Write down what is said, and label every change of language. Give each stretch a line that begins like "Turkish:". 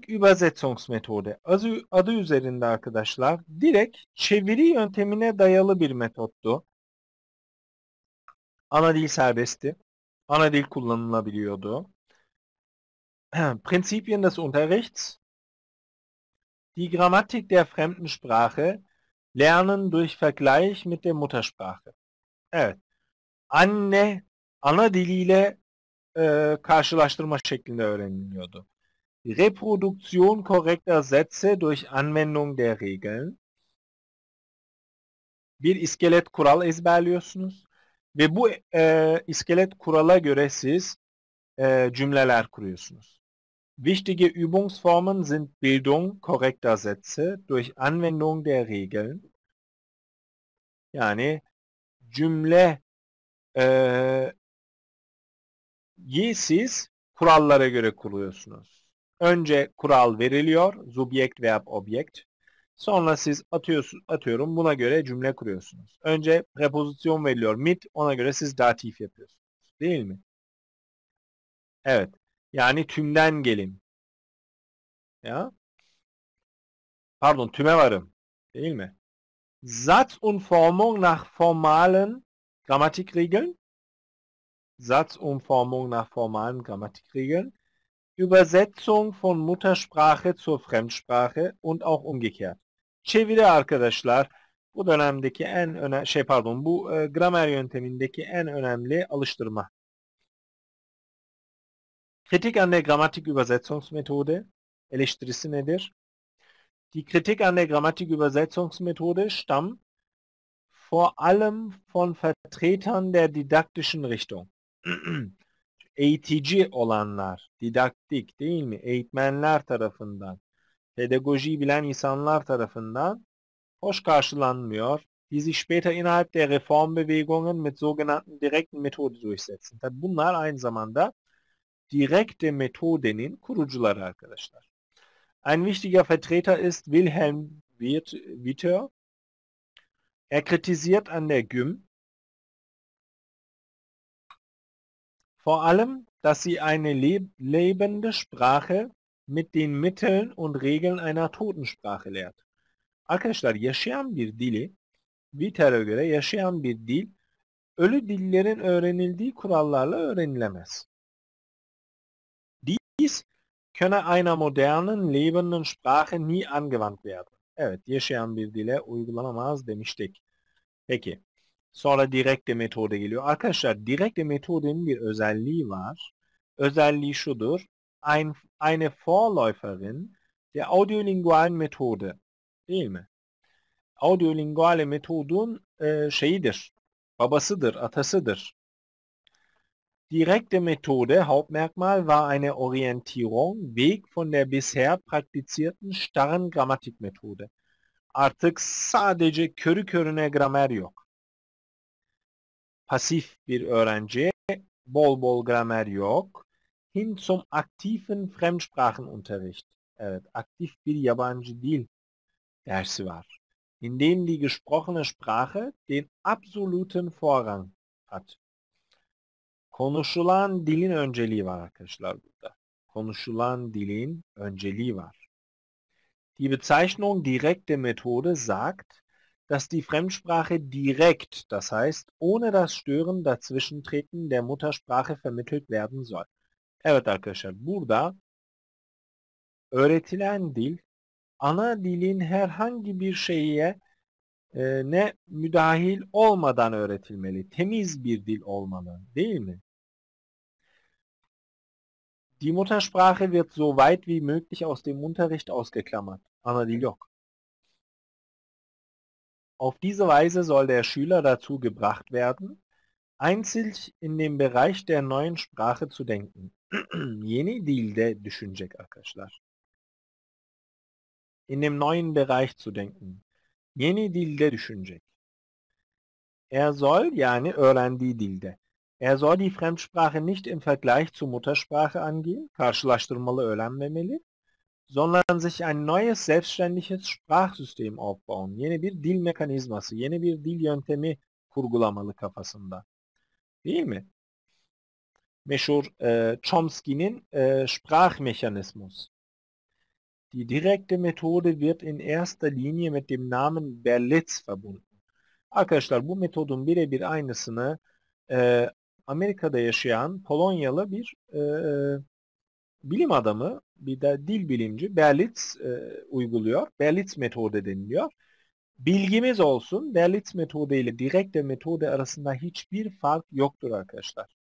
Turkish: Grammatikübersetzungsmethode adı üzerinde arkadaşlar direkt çeviri yöntemine dayalı bir metottu. Ana dil serbestti. Ana dil kullanılabiliyordu.
German: Prinzipien des Unterrichts. Die Grammatik der fremden Sprache. Lernen durch Vergleich mit der Muttersprache.
Turkish: Evet. Anne, ana diliyle karşılaştırma şeklinde öğreniliyordu.
German: Reproduktion korrekter Sätze durch Anwendung der Regeln.
Turkish: Bir iskelet kural ezberliyorsunuz. Ve bu iskelet kurala göre siz cümleler kuruyorsunuz.
German: Wichtige Übungsformen sind Bildung korrekter Sätze durch Anwendung der Regeln.
Turkish: Yani cümleyi siz kurallara göre kuruyorsunuz. Önce kural veriliyor, subjekt veya objekt. Sonra siz atıyorum buna göre cümle kuruyorsunuz. Önce preposition veriliyor mit, ona göre siz datif yapıyorsunuz. Değil mi? Evet. Yani tümden gelim. Ya? Pardon, tüme varım. Değil mi?
German: Satz und Formung nach formalen Grammatikregeln. Satz und Formung nach formalen Grammatikregeln. Übersetzung von Muttersprache zur Fremdsprache und auch umgekehrt.
Turkish: Çeviri arkadaşlar, bu dönemdeki en önemli şey pardon, bu gramer yöntemindeki en önemli alıştırma.
German: Kritik an der Grammatikübersetzungsmethode.
Turkish: Eleştirisi nedir?
German: Die Kritik an der Grammatikübersetzungsmethode stammt vor allem von Vertretern der didaktischen Richtung.
Turkish: Eğitici olanlar, didaktik değil mi? Eğitmenler tarafından, pedagojiyi bilen insanlar tarafından hoş karşılanmıyor.
German: Die sich später innerhalb der Reformbewegungen mit sogenannten direkten Methoden durchsetzen.
Turkish: Tabi bunlar aynı zamanda direkte metodenin kurucuları arkadaşlar.
German: Ein wichtiger Vertreter ist Wilhelm Witteur. Er kritisiert an der GYM vor allem, dass sie eine lebende Sprache mit den Mitteln und Regeln einer toten Sprache lehrt.
Turkish: Arkadaşlar, yaşayan bir dili, Witteur'a göre yaşayan bir dil, ölü dillerin öğrenildiği kurallarla öğrenilemez.
German: Dies könne einer modernen, lebenden Sprache nie angewandt werden.
Turkish: Evet, yaşayan bir dile uygulanamaz demiştik. Peki, sonra direkte metode geliyor. Arkadaşlar, direkte metodenin bir özelliği var. Özelliği şudur.
German: Eine Vorläuferin der audiolingualen Methode.
Turkish: Değil mi? Audiolinguale metodun şeyidir. Babasıdır, atasıdır.
German: Direkte Methode, Hauptmerkmal war eine Orientierung, Weg von der bisher praktizierten starren Grammatikmethode.
Turkish: Artık sadece körü körüne gramer yok. Pasif bir öğrenci, bol bol gramer yok.
German: Hin zum aktiven Fremdsprachenunterricht.
Turkish: Evet, aktif bir yabancı dil dersi var.
German: In dem die gesprochene Sprache den absoluten Vorrang hat.
Turkish: Konuşulan dilin önceliği var arkadaşlar burada. Konuşulan dilin önceliği var.
German: Die Bezeichnung direkte Methode sagt, dass die Fremdsprache direkt, das heißt ohne das Stören dazwischentreten der Muttersprache vermittelt werden soll.
Turkish: Evet arkadaşlar, burada öğretilen dil ana dilin herhangi bir şeye ne müdahil olmadan öğretilmeli. Temiz bir dil olmalı, değil mi?
German: Die Muttersprache wird so weit wie möglich aus dem Unterricht ausgeklammert.
Turkish: Ana dil yok.
German: Auf diese Weise soll der Schüler dazu gebracht werden, einzig in dem Bereich der neuen Sprache zu denken.
Turkish: Yeni dilde düşünecek arkadaşlar.
German: In dem neuen Bereich zu denken.
Turkish: Yeni dilde düşünecek.
German: Er soll,
Turkish: yani öğrendiği dilde.
German: Er soll die Fremdsprache nicht im Vergleich zur Muttersprache angehen,
Turkish: karşılaştırmalı öğrenmemeli,
German: sondern sich ein neues, selbstständiges Sprachsystem aufbauen.
Turkish: Yeni bir dil mekanizması, yeni bir dil yöntemi kurgulamalı kafasında. Değil mi? Meşhur Chomsky'nin Sprachmechanismus.
German: Die direkte Methode wird in erster Linie mit dem Namen Berlitz verbunden.
Turkish: Arkadaşlar, bu metodun birebir aynısını Amerika'da yaşayan Polonyalı bir bilim adamı, bir de dil bilimci Berlitz uyguluyor. Berlitz metodu deniliyor. Bilgimiz olsun, Berlitz metodu ile direkte metodu arasında hiçbir fark yoktur arkadaşlar.